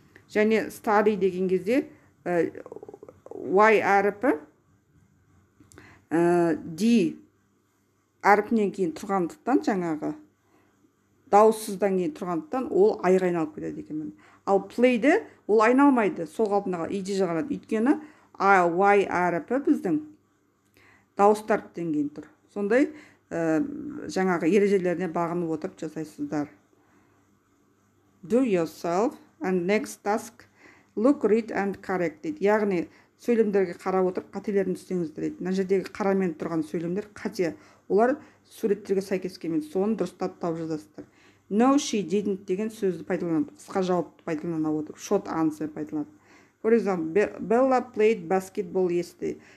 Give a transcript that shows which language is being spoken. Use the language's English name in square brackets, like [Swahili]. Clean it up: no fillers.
[Kazakh] Және study деген кезде y әріпі d әріпінен кейін тұрғандықтан жаңағы дауыссыздан кейін тұрғандықтан ол айға айналып кетеді екен. Ал play-ді ол айналмайды, сол қалпында қалады, ed жағады. Өйткені y әріпі біздің дауыстар тіптен кейін тұр. Сондай жаңағы ережелеріне бағынып отырып жасайсыздар. [English] Do yourself and next task look, read and correct it. [Kazakh] Яғни сөйлемдерге қарап отырып қателерін түзеңіздер. Мына жердегі қарамен тұрған сөйлемдер қате. Олар суреттерге сәйкес келмейді. Соны дұрыстап тауып жазасыздар. [English] No, she didn't [Kazakh] деген сөзді пайдаланады. Қысқа жауапты пайдалана отырып. [English] Short answer [Kazakh] пайдаланады. [English] For example, Bella played basketball yesterday.